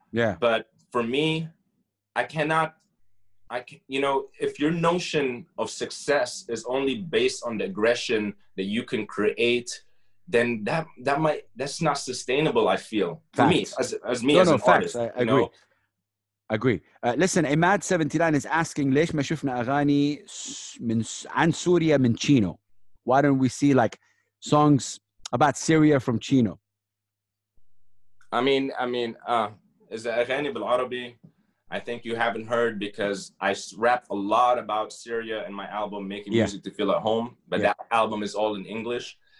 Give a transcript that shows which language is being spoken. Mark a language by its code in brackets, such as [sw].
[en] Yeah. But for me, I can't, if your notion of success is only based on the aggression that you can create, then that's not sustainable, I feel. Facts. For me, as an artist. I agree. Listen, Imad 79 is asking, [ar] ليش ما شفنا أغاني عن سوريا من Chino? [en] Why don't we see, like, songs about Syria from Chino? Is it [ar] أغاني بالعربي? [en] I think you haven't heard because I rap a lot about Syria in my album, Making Music to Feel at Home, but that album is all in English.